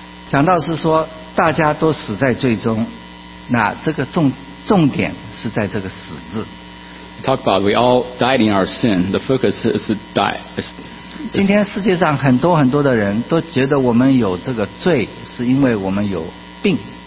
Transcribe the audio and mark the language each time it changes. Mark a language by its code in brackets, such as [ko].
[zh] 讲到是说大家都死在罪中，那这个重点是在这个死字。 [en] Talk about we all died in our sin. The focus is die. [zh] 今天世界上很多很多的人都觉得我们有这个罪，是因为我们有病。